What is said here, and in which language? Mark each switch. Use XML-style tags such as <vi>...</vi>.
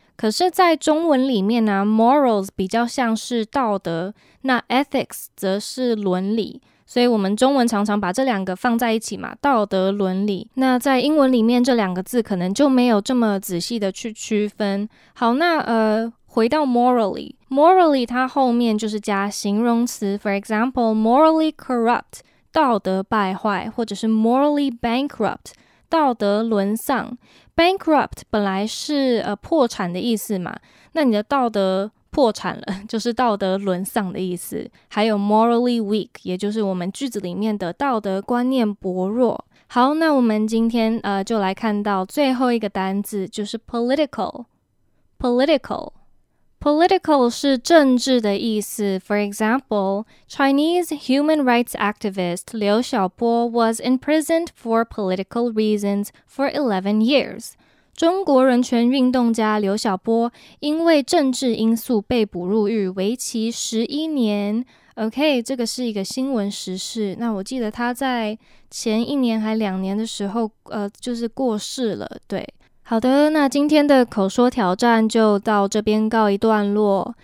<zh>可是在中文里面呢， morals 比较像是道德，那 ethics 则是伦理，所以我们中文常常把这两个放在一起嘛，道德伦理。那在英文里面这两个字可能就没有这么仔细的去区分。好，那回到 morally， morally 它后面就是加形容词。</zh> <en>For example, morally corrupt，</en> <zh>道德败坏，或者是</zh> <en>morally bankrupt，</en> <zh>道德沦丧。 bankrupt 本来是破产的意思嘛，那你的道德破产了，就是道德沦丧的意思。还有 morally weak， 也就是我们句子里面的道德观念薄弱。好，那我们今天就来看到最后一个单字，就是 political。 political， political 是政治的意思。</zh> <en>For example, Chinese human rights activist 刘晓波 was imprisoned for political reasons for 11 years。</en> <zh>中国人权运动家刘晓波因为政治因素被捕入狱，为期11年。 OK， 这个是一个新闻时事。那我记得他在前一年还两年的时候，就是过世了。对，好的，那今天的口说挑战就到这边告一段落。</zh>